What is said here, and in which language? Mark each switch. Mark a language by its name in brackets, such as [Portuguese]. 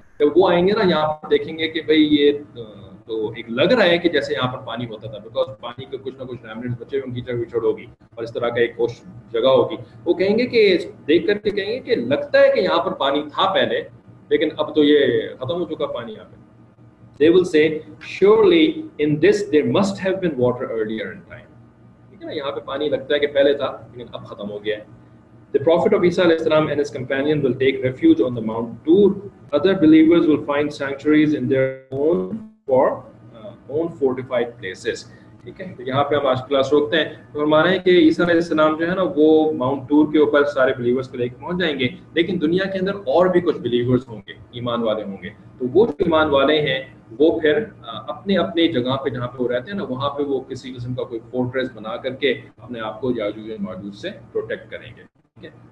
[Urdu] جب وہ آئیں گے نا یہاں پر دیکھیں گے کہ بھائی یہ تو ایک لگ رہا ہے کہ جیسے یہاں پر پانی ہوتا تھا, بیکاز پانی کے کچھ نہ کچھ ریمنٹس بچے ہوئے ہوں گے, کیچڑ وچڑ ہوگی اور اس طرح کا ایک کوش جگہ ہوگی, وہ کہیں گے کہ دیکھ کر کے کہیں گے کہ لگتا ہے کہ یہاں پر پانی تھا پہلے, لیکن اب تو یہ ختم ہو چکا پانی یہاں پہ. [English] They will say, surely in this there must have been water earlier in time. [Urdu] ٹھیک ہے نا, یہاں پہ پانی لگتا ہے کہ پہلے تھا لیکن اب ختم ہو گیا ہے. [English] The Prophet of Isa alayhisalam and his companion will take refuge on the Mount Tur. Other believers will find sanctuaries in their own fortified places. [Urdu] ٹھیک ہے, تو یہاں پہ ہم آج کلاس روکتے ہیں. فرما رہے ہیں کہ عیسیٰ علیہ السلام جو ہے نا وہ ماؤنٹ ٹور کے اوپر سارے بلیورس کو لے کے پہنچ جائیں گے, لیکن دنیا کے اندر اور بھی کچھ بلیورس ہوں گے, ایمان والے ہوں گے. تو وہ جو ایمان والے ہیں وہ پھر اپنے اپنے جگہ پہ جہاں پہ وہ رہتے ہیں نا, وہاں پہ وہ کسی قسم کا کوئی فورٹریس بنا کر کے اپنے آپ کو یاجوج ماجوج سے پروٹیکٹ کریں گے, ٹھیک ہے.